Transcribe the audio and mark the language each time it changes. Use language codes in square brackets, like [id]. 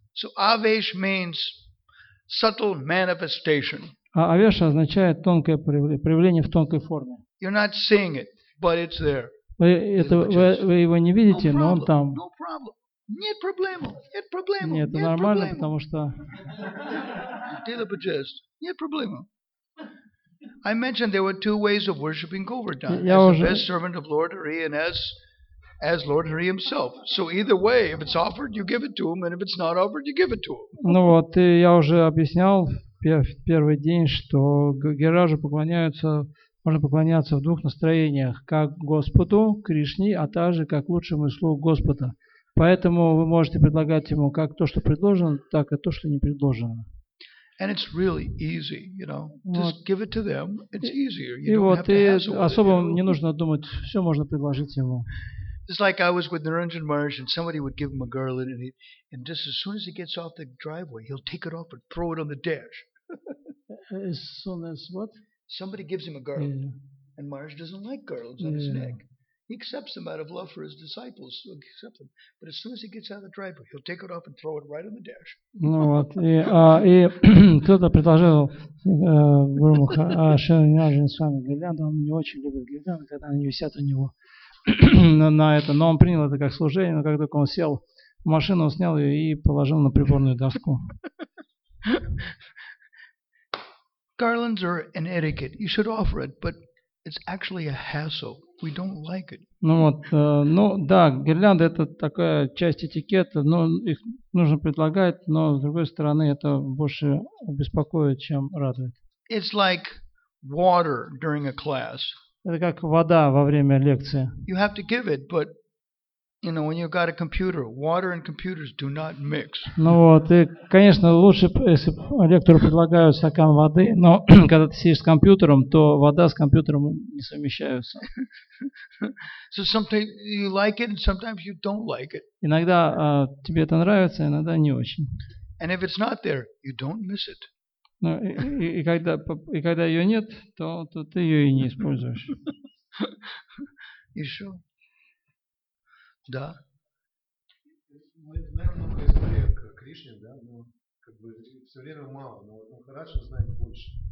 [en] So Avesh means subtle manifestation. [ru] А Авеша означает тонкое проявление в тонкой форме. [en] You're not seeing it, but it's there. [ru] Вы его не видите, но он там. Нет проблем. Нет проблем. Нет, это нормально, потому что. Дело поджест. Нет проблем. [en] I mentioned there were two ways of worshiping Govardhan, as the best servant of Lord Hari and as Lord Hari himself. So either way, if it's offered, you give it to him, and if it's not offered, you give it to him. [ru] Ну вот, и я уже объяснял в первый день, что Гираджи поклоняются, можно поклоняться в двух настроениях, как Господу, Кришне, а также как лучшему слугу Господа. Поэтому вы можете предлагать ему как то, что предложено, так и то, что не предложено. [en] And it's really easy, you know. Just give it to them. It's easier. [ru] И вот, и особо не нужно думать, все можно предложить ему. [en] It's like I was with Niranjan Maharaj, and somebody would give him a garland, and just as soon as he gets off the driveway, he'll take it off and throw it on the dash. As soon as what? Somebody gives him a garland, and Maharaj doesn't like garlands on his neck. He accepts them out of love for his disciples. He'll accept them, but as soon as he gets out of the driveway, he'll take it off and throw it right on the dash. [ru] Ну вот, и кто-то предложил Гуру Махараджу с вами гирлянду, он не очень любит гирлянду, когда они висят у него на это, но он принял это как служение, но как только он сел в машину, он снял ее и положил на приборную доску. [en] Garlands are an etiquette. You should offer it, but it's actually a hassle. We don't like it. [ru] Ну вот, ну да, гирлянда это такая часть этикета, но их нужно предлагать, но с другой стороны это больше беспокоит, чем радует. [en] It's like water during a class. [ru] Это как вода во время лекции. [en] You have to give it, but you know, when you've got a computer, water and computers do not mix. [ru] Ну вот, и, конечно, лучше, если лектору предлагают стакан воды, но когда ты сидишь с компьютером, то вода с компьютером не совмещаются. [en] So sometimes you like it, and sometimes you don't like it. [ru] Иногда тебе это нравится, иногда не очень. [en] And if it's not there, you don't miss it. [ru] Ну, и когда ее нет, то ты ее и не используешь. Еще? Да. Мы знаем много историй о Кришне, да, но как бы все время мало, но вот Махарадж знает больше.